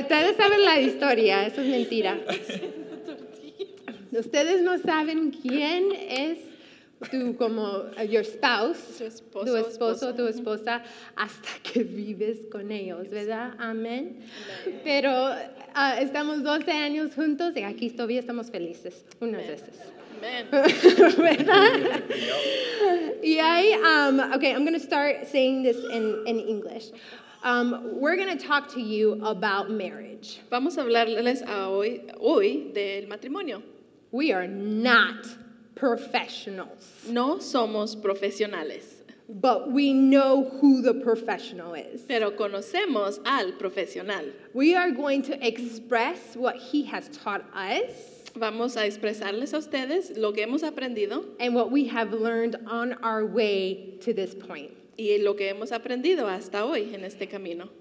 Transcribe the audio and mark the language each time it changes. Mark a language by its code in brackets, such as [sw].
[es] Ustedes saben la historia, eso es mentira. Ustedes no saben quién es tu como [en] your spouse, [es] tu esposo, tu esposa, hasta que vives con ellos, ¿verdad? Amén. Pero estamos 12 años juntos y aquí todavía estamos felices unas veces. [en] Okay, I'm going to start saying this in English. We're going to talk to you about marriage. [es] Vamos a hablarles hoy del matrimonio. [en] We are not professionals. [es] No somos profesionales. [en] But we know who the professional is. [es] Pero conocemos al profesional. [en] We are going to express what he has taught us. [es] Vamos a expresarles a ustedes lo que hemos aprendido. [en] And what we have learned on our way to this point. [es] Y lo que hemos aprendido hasta hoy en este camino.